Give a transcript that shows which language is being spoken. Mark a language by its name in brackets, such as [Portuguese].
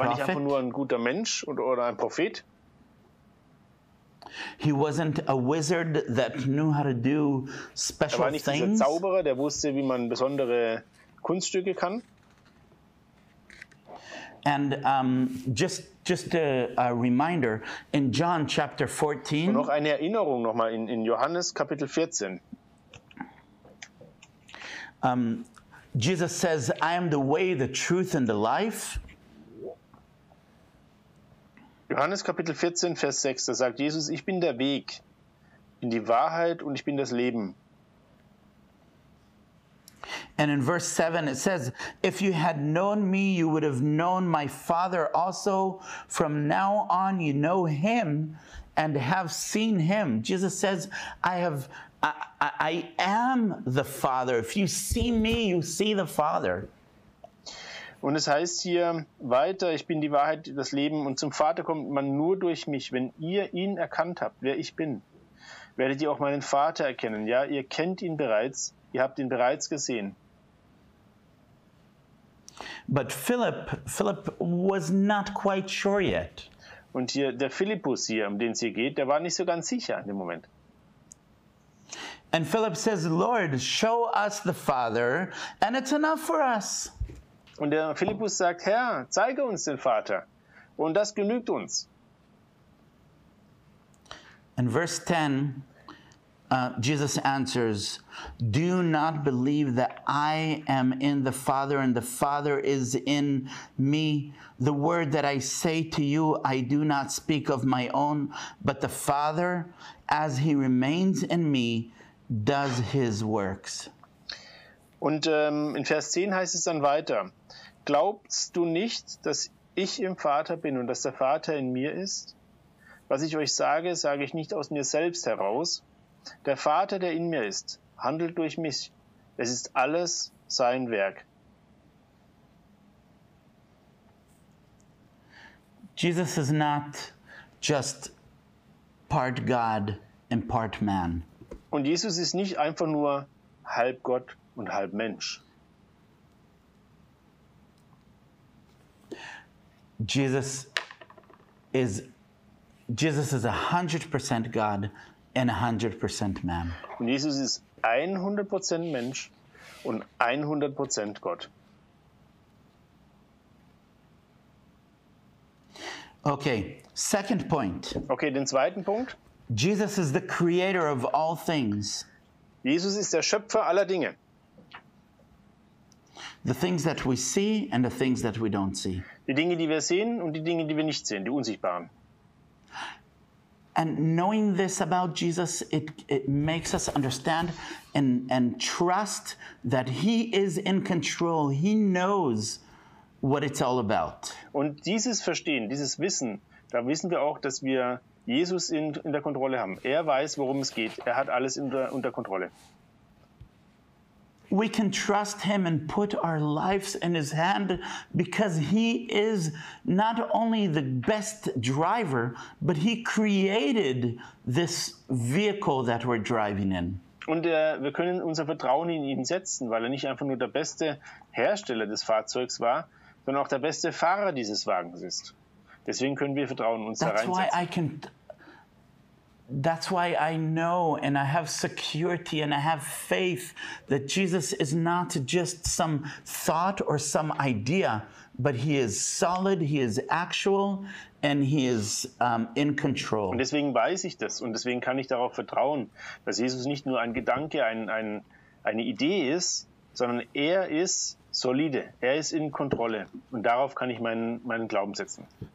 [German] Er war nicht einfach nur ein guter Mensch oder ein Prophet. [English] He wasn't a wizard that knew how to do special things. [German] Er war nicht dieser Zauberer, der wusste, wie man besondere Kunststücke kann. [English] And just a reminder in John chapter 14. [German] Und noch eine Erinnerung nochmal in Johannes Kapitel 14. [English] Jesus says, "I am the way, the truth, and the life." [German] Johannes Kapitel 14 Vers 6. Da sagt Jesus: "Ich bin der Weg, bin die Wahrheit und ich bin das Leben." [English] And in verse 7 it says, if you had known me, you would have known my Father also. From now on you know him and have seen him. Jesus says, I am the Father. If you see me, you see the Father. [German] Und es heißt hier weiter, ich bin die Wahrheit, das Leben. Und zum Vater kommt man nur durch mich. Wenn ihr ihn erkannt habt, wer ich bin, werdet ihr auch meinen Vater erkennen. Ja, ihr kennt ihn bereits. Ihr habt ihn bereits gesehen. [English] But Philip was not quite sure yet. [German] Und hier der Philippus hier, um den es hier geht, der war nicht so ganz sicher in dem Moment. [English] And Philip says, Lord, show us the Father, and it's enough for us. [German] Und der Philippus sagt, Herr, zeige uns den Vater, und das genügt uns. [English] In verse 10, Jesus answers, do not believe that I am in the Father and the Father is in me. The word that I say to you, I do not speak of my own, but the Father, as he remains in me, does his works. [German] Und in Vers 10 heißt es dann weiter, glaubst du nicht, dass ich im Vater bin und dass der Vater in mir ist? Was ich euch sage, sage ich nicht aus mir selbst heraus. Der Vater, der in mir ist, handelt durch mich. Es ist alles sein Werk. [English] Jesus is not just part God and part man. [German] Und Jesus ist nicht einfach nur halb Gott und halb Mensch. [English] Jesus is 100% God and 100% man. [German] Und Jesus ist 100% Mensch und 100% Gott. [English] Okay, second point. [German] Okay, den zweiten Punkt. [English] Jesus is the creator of all things. [German] Jesus ist der Schöpfer aller Dinge. [English] The things that we see and the things that we don't see. [German] Die Dinge, die wir sehen und die Dinge, die wir nicht sehen, die unsichtbaren. [English] And knowing this about Jesus, it makes us understand and trust that he is in control. He knows what it's all about. [German] Und dieses Verstehen, dieses Wissen, da wissen wir auch, dass wir Jesus in der Kontrolle haben. Er weiß, worum es geht. Er hat alles unter Kontrolle. [English] We can trust him and put our lives in his hand because he is not only the best driver, but he created this vehicle that we're driving in. [German] Und wir können unser Vertrauen in ihn setzen, weil er nicht einfach nur der beste Hersteller des Fahrzeugs war, sondern auch der beste Fahrer dieses Wagens ist. Deswegen können wir Vertrauen in uns [English] That's [German] da reinsetzen. [English] That's why I know and I have security and I have faith that Jesus is not just some thought or some idea, but he is solid, he is actual, and he is in control. [German] Und deswegen weiß ich das und deswegen kann ich darauf vertrauen, dass Jesus nicht nur ein Gedanke, eine Idee ist, sondern er ist solide, er ist in Kontrolle. Und darauf kann ich meinen Glauben setzen.